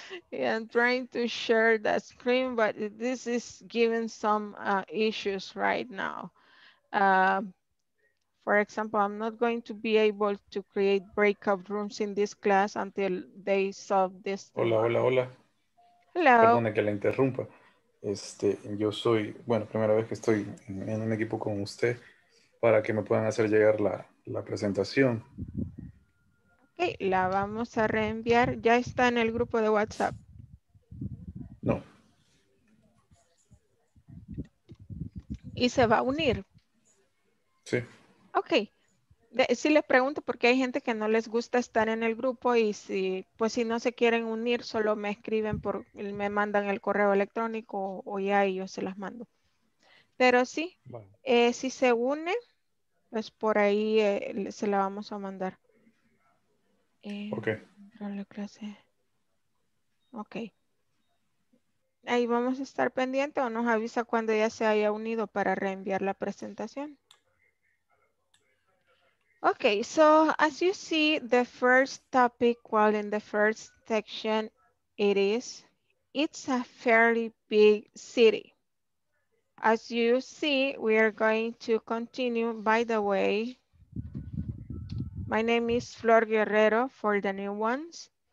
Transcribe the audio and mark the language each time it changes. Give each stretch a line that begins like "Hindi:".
English: Yeah, I'm trying to share the screen, but this is giving some issues right now. For example, I'm not going to be able to create breakout rooms in this class until they solve this.
Spanish: Hola, hola, hola.
English: Hello.
Spanish: Perdona que la interrumpa. Yo soy, bueno, primera vez que estoy en un equipo con usted para que me puedan hacer llegar la presentación. Ok, la vamos a reenviar. ¿Ya está en el grupo de WhatsApp? No. ¿Y se va a unir? Sí. Ok, sí les pregunto porque hay gente que no les gusta estar en el grupo y si no se quieren unir, solo me escriben, me mandan el correo electrónico o ya y yo se las mando. Pero sí, bueno. Si se une, pues por ahí se la vamos a mandar. Ok. Ahí vamos a estar pendiente o nos avisa cuando ya se haya unido para reenviar la presentación.
English: Okay, so as you see, the first topic, well, in the first section, it's a fairly big city. As you see, we are going to continue. By the way, my name is Flor Guerrero for the new ones.